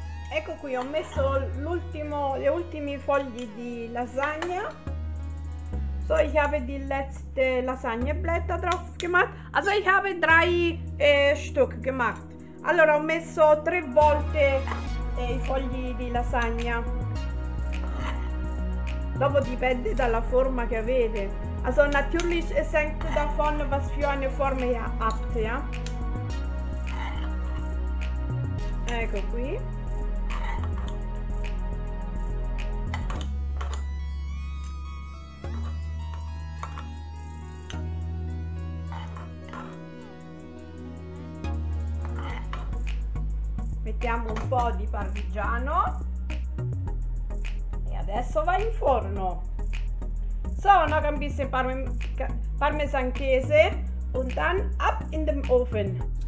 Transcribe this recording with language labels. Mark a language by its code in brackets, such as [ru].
[it] Ecco qui, ho messo le ultime foglie di lasagna. [de] So, ich habe die letzte Lasagneblätter drauf gemacht. Also, ich habe drei Stück gemacht. [it] Allora, ho messo tre volte i fogli di lasagna. Dopo dipende dalla forma che avete. [de] Also, natürlich ist hängt davon, was für eine Form ihr habt, ja? [it] Ecco qui. Mettiamo un po' di parmigiano e adesso va in forno. [de] So, una campisse parmesanchese und dann ab in den Ofen.